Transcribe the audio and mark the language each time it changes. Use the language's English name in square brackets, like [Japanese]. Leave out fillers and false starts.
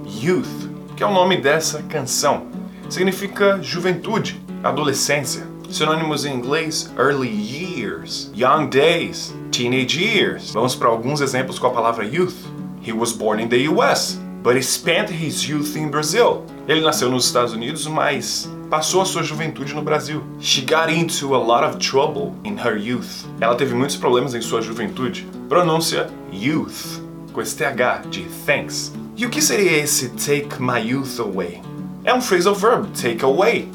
[Portuguese] Youth, que é o nome dessa canção, significa juventude, adolescência. Sinônimos em inglês, [English] early years, young days, teenage years. [Portuguese] Vamos para alguns exemplos com a palavra youth. [English] He was born in the US, but he spent his youth in Brazil. [Portuguese] Ele nasceu nos Estados Unidos, mas passou a sua juventude no Brasil. [English] She got into a lot of trouble in her youth. [Portuguese] Ela teve muitos problemas em sua juventude. Pronúncia youth, com esse TH de thanks. E o que seria esse [English] take my youth away? [Portuguese] É um phrasal verb, take away.